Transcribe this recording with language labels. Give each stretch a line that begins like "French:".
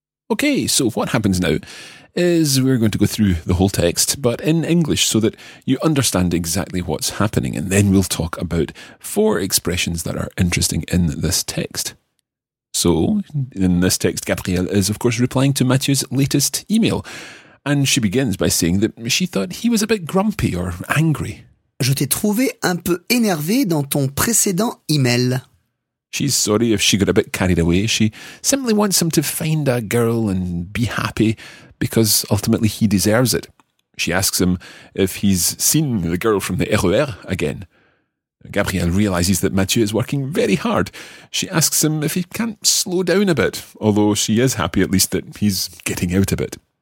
English: Okay, so what happens now is we're going to go through the whole text, but in English so that you understand exactly what's happening, and then we'll talk about 4 expressions that are interesting in this text. So, in this text, Gabrielle is, of course, replying to Mathieu's latest email, and she begins by saying that she thought he was a bit grumpy or angry.
French: Je t'ai trouvé un peu énervé dans ton précédent email.
English: She's sorry if she got a bit carried away. She simply wants him to find a girl and be happy, because ultimately he deserves it. She asks him if he's seen the girl from the RER again. Gabriel realizes that Mathieu is working very hard. She asks him if he can't slow down a bit, although she is happy at least that he's getting out a bit.